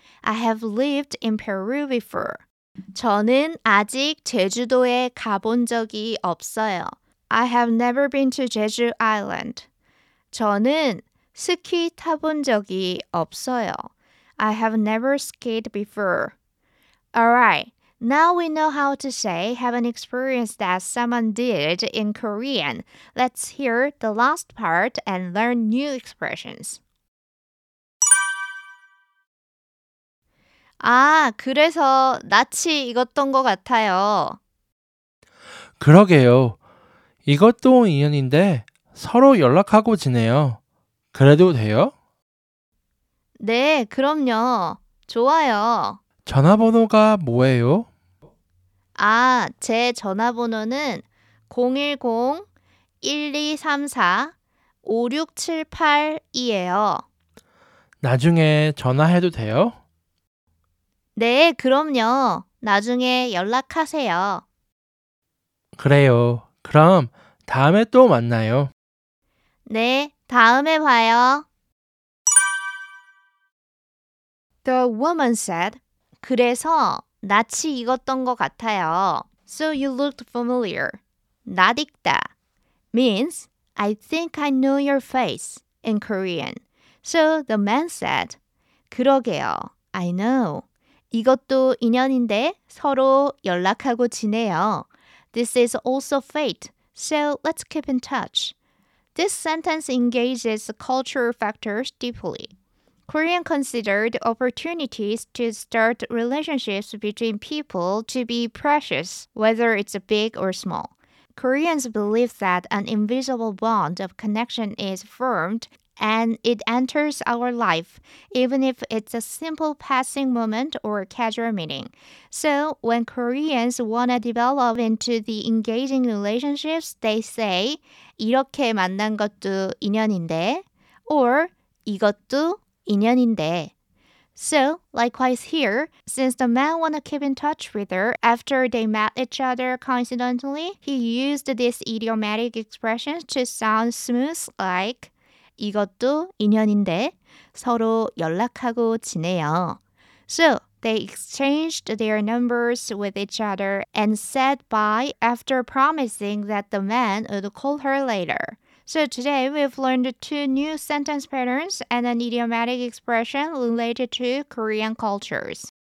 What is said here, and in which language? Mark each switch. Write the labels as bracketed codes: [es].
[en] I have lived in Peru before. [ko] 저는 아직 제주도에 가본 적이 없어요. [en] I have never been to Jeju Island. [ko] 저는 스키 타본 적이 없어요. [en] I have never skied before. Alright, now we know how to say have an experience that someone did in Korean. Let's hear the last part and learn new expressions. [ko] 아, 그래서 낯이 익었던 것 같아요. 그러게요. 이것도 인연인데 서로 연락하고 지내요. 그래도 돼요? 네, 그럼요. 좋아요. 전화번호가 뭐예요? 아, 제 전화번호는 010-1234-5678이에요. 나중에 전화해도 돼요? 네, 그럼요. 나중에 연락하세요. 그래요. 그럼 다음에 또 만나요. 네, 다음에 봐요. [en] The woman said, [ko] 그래서 낯이 익었던 것 같아요. [en] So you looked familiar. 낯 익다 means I think I know your face in Korean. So the man said, [ko] 그러게요. [en] I know. [ko] 이것도 인연인데 서로 연락하고 지내요. [en] This is also fate. So, let's keep in touch. This sentence engages cultural factors deeply. Koreans considered opportunities to start relationships between people to be precious, whether it's big or small. Koreans believe that an invisible bond of connection is formed and it enters our life, even if it's a simple passing moment or casual meeting. So, when Koreans want to develop into the engaging relationships, they say, [ko] 이렇게 만난 것도 인연인데, or 이것도 인연인데. [en] So, likewise here, since the man want to keep in touch with her after they met each other coincidentally, he used this idiomatic expression to sound smooth like, [ko] 이것도 인연인데 서로 연락하고 지내요. [en] So, they exchanged their numbers with each other and said bye after promising that the man would call her later. So today we've learned two new sentence patterns and an idiomatic expression related to Korean cultures.